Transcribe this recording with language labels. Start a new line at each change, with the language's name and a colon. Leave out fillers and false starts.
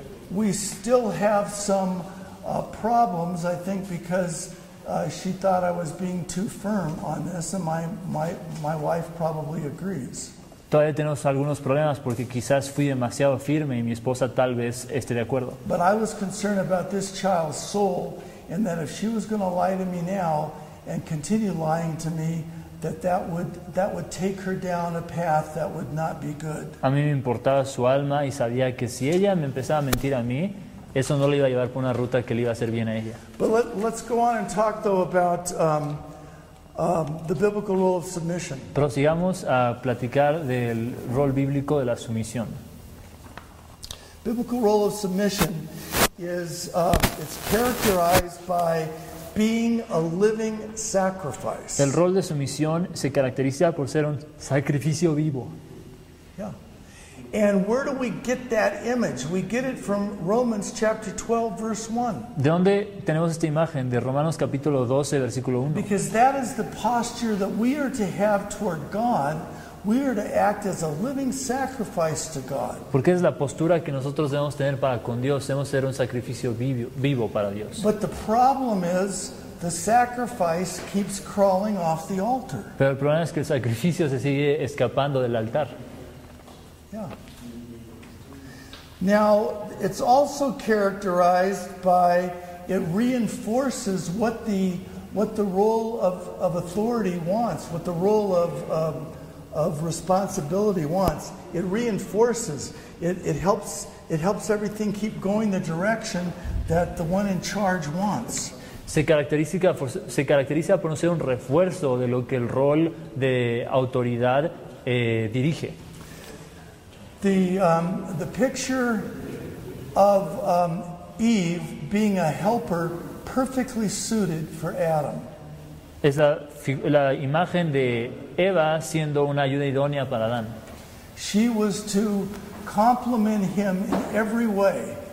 English: We still have some problems, I think, because she thought I was being too firm on this, and my wife probably agrees.
Spanish: Todavía tenemos algunos problemas porque quizás fui demasiado firme y mi esposa tal vez esté de acuerdo.
English: But I was concerned about this child's soul, and that if she was going to lie to me now and continue lying to me, that would take her down a path that would not be good.
Spanish: A mí me importaba su alma y sabía que si ella me empezaba a mentir a mí, eso no le iba a llevar por una ruta que le iba a hacer bien a ella.
English: But let's go on and talk though about the biblical role of submission.
Spanish: Pero sigamos a platicar del rol bíblico de la sumisión.
English: Biblical role of submission is it's characterized by being a living sacrifice.
Spanish: El rol de sumisión se caracteriza por ser un sacrificio vivo.
English: Yeah. And where do we get that image? We get it from Romans chapter 12, verse 1.
Spanish: ¿De dónde tenemos esta imagen? De Romanos capítulo 12, versículo 1.
English: Because that is the posture that we are to have toward God. We are to act as a living sacrifice to God.
Spanish: Porque es la postura que nosotros debemos tener para con Dios. Debemos ser un sacrificio vivo para Dios.
English: But the problem is, the sacrifice keeps crawling off the altar.
Spanish: Pero el problema es que el sacrificio se sigue escapando del altar.
English: Yeah. Now, it's also characterized by, it reinforces what the role of authority wants, what the role of responsibility wants. It reinforces. It helps everything keep going the direction that the one in charge wants.
Spanish: Se caracteriza por no ser un refuerzo de lo que el rol de autoridad dirige.
English: The picture of Eve being a helper perfectly suited for Adam.
Spanish: Es la imagen de Eva siendo una ayuda idónea para Adán.
English: She was to complement him in every way.